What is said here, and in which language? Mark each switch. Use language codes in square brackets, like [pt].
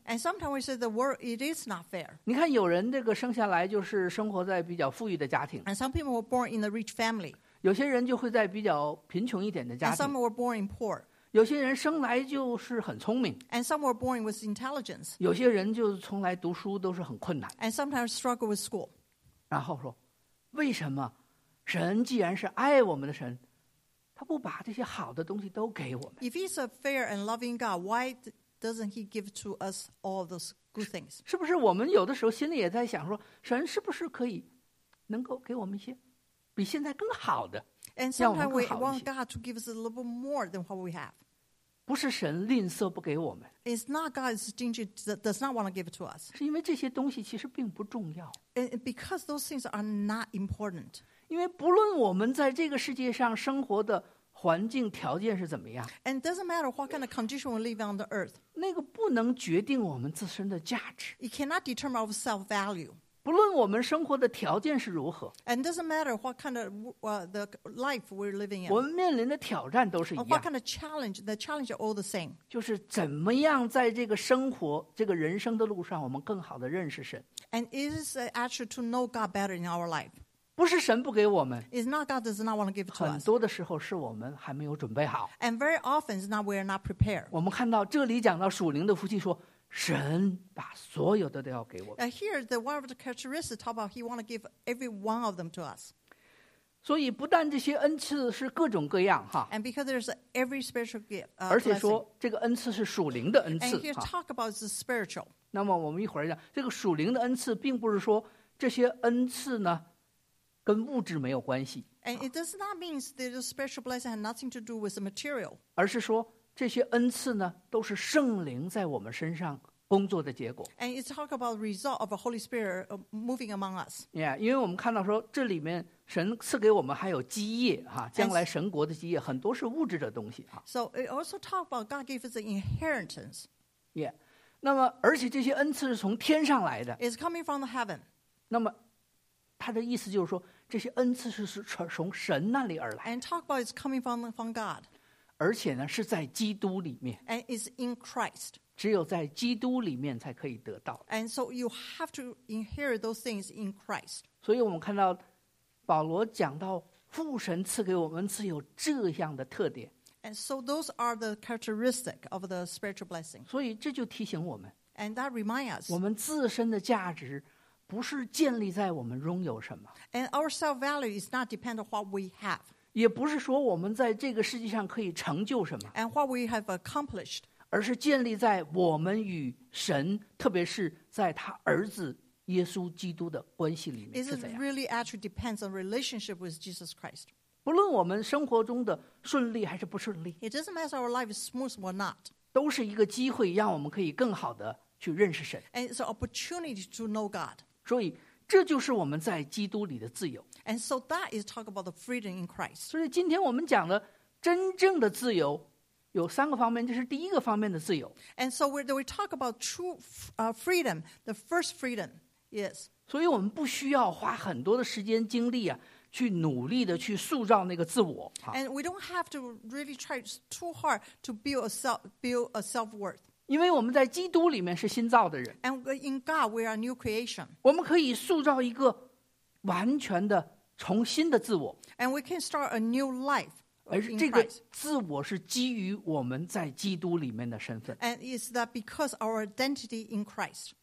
[en] And sometimes we say the world it is not fair. [zh] 你看，有人这个生下来就是生活在比较富裕的家庭。 [en] And some people were born in a rich family. [zh] 有些人就会在比较贫穷一点的家庭。 [en] And some were born in poor. [zh] 有些人生来就是很聪明 [en] ，and some were born with intelligence。 [zh] 有些人就从来读书都是很困难 [en] ，and sometimes struggle with school。 [zh] 然后说，为什么神既然是爱我们的神，他不把这些好的东西都给我们 [en] ？If he's a fair and loving God, why doesn't he give to us all those good things？ [zh] 是不是我们有的时候心里也在想说，神是不是可以能够给我们一些比现在更好的？ [en] And sometimes we want God to give us a little bit more than what we have. [zh] 不是神吝啬不给我们。 [en] It's not God is stingy, does not want to give it to us. [zh] 是因为这些东西其实并不重要。 [en] And because those things are not important. [zh] 因为不论我们在这个世界上生活的环境条件是怎么样。 [en] And it doesn't matter what kind of condition we live on the earth. [zh] 那个不能决定我们自身的价值。 [en] It cannot determine our self-value. [zh] 不论我们生活的条件是如何 [en] ，And doesn't matter what kind of the life we're living in， [zh] 我们面临的挑战都是一样。 [en] What kind of challenge? The challenge are all the same. [zh] 就是怎么样在这个生活、这个人生的路上，我们更好的认识神。 [en] And it is actually to know God better in our life. [zh] 不是神不给我们 [en] ，It's not God does not want to give to us. [zh] 很多的时候是我们还没有准备好。 [en] And very often it's not we are not prepared. [zh] 我们看到这里讲到属灵的福气说。神把所有的都要给我们。 [en] Here, the one of the characteristics talk about he want to give every one of them to us. [zh] 所以不但这些恩赐是各种各样哈。 [en] And because there's every spiritual gift. [zh] 而且说这个恩赐是属灵的恩赐。 [en] And here talk about the spiritual. [zh] 那么我们一会儿讲这个属灵的恩赐，并不是说这些恩赐呢跟物质没有关系。 [en] And it does not mean that the spiritual blessing has nothing to do with the material. [zh] 而是说。这些恩赐呢，都是圣灵在我们身上工作的结果。 [en] And it's talk about the result of the Holy Spirit moving among us. [zh] Yeah, 因为我们看到说，这里面神赐给我们还有基业哈，将来神国的基业很多是物质的东西哈。 [en] So it also talk about God gave us the inheritance. [zh] Yeah, 那么而且这些恩赐是从天上来的。 [en] It's coming from the heaven. [zh] 那么他的意思就是说，这些恩赐是从神那里而来。 [en] And talk about it's coming from God. [zh] 而且呢是在基督里面 [en] and it's in Christ [zh] 只有在基督里面才可以得到 [en] and so you have to inherit those things in Christ [zh] 所以我们看到保罗讲到父神赐给我们是有这样的特点 [en] and so those are the characteristics of the spiritual blessing [zh] 所以这就提醒我们 [en] and that reminds us [zh] 我们自身的价值不是建立在我们拥有什么 [en] and our self-value is not dependent on what we have [zh] 也不是说我们在这个世界上可以成就什么 [en] and what we have accomplished [zh] 而是建立在我们与神，特别是在他儿子耶稣基督的关系里面是怎样。 [en] It really actually depends on relationship with Jesus Christ. [zh] 不论我们生活中的顺利还是不顺利， [en] It doesn't matter if our life is smooth or not. [zh] 都是一个机会让我们可以更好的去认识神。 [en] And it's an opportunity to know God. [zh] 所以这就是我们在基督里的自由。 [en] And so that is talk about the freedom in Christ. [zh] 所以今天我们讲的真正的自由有三个方面，这是第一个方面的自由。 [en] And so we talk about true freedom. The first freedom is. [zh] 所以我们不需要花很多的时间精力啊，去努力的去塑造那个自我。 [en] And we don't have to really try too hard to build a self-worth. [zh] 因为我们在基督里面是新造的人。 [en] And in God we are a new creation. [zh] 我们可以塑造一个完全的重新的自我。 [en] And we can start a new life. [zh] 而这个自我是基于我们在基督里面的身份。 [en] And is that because our identity in Christ?